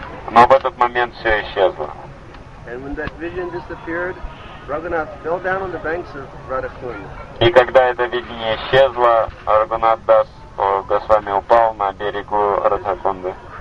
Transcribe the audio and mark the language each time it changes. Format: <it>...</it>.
<ru>Но в этот момент все исчезло.</ru> <en>And when that vision disappeared, Raghunath fell down on the banks of Radha Kund.</en> <ru>И когда это видение исчезло, Raghunath Das Госвами упал на берегу Радхакунды.</ru>